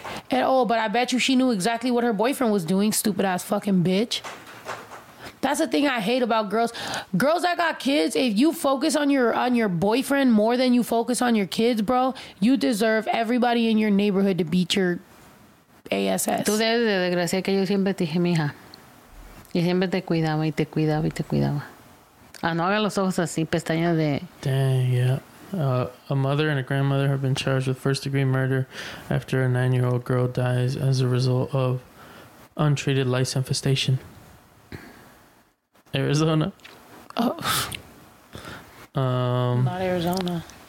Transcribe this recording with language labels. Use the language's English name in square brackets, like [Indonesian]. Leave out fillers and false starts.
[English] And, oh, but I bet you she knew exactly what her boyfriend was doing, stupid-ass fucking bitch. That's the thing I hate about girls. Girls that got kids, if you focus on your boyfriend more than you focus on your kids, bro, you deserve everybody in your neighborhood to beat your ass. [Spanish] Tú debes de desgraciar que yo siempre te dije, mija. Y siempre te cuidaba y te cuidaba y te cuidaba. Ah, no haga los ojos así, pestañas de... [English] Dang, yeah. A mother and a grandmother have been charged with first-degree murder after a 9-year-old girl dies as a result of untreated lice infestation. Arizona. Oh. Not Arizona.